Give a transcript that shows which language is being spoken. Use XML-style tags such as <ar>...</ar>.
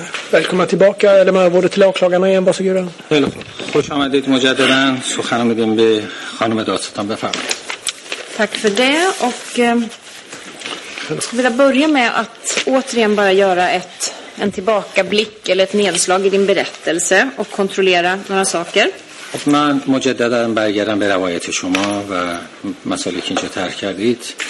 <sv>Välkomna tillbaka, eller man var det till åklagarna igen, varsågod.</sv> <fa>خوش آمدید مجدداً. سخن میدیم به خانم دادستان، بفرمایید.</fa> <sv>Tack för det och jag skulle vilja börja med att återigen bara göra en tillbakablick eller ett nedslag i din berättelse och kontrollera några saker.</sv> <fa>من مجدداً برگردم به روایت شما و مسائلی که اینجا طرح کردید.</fa>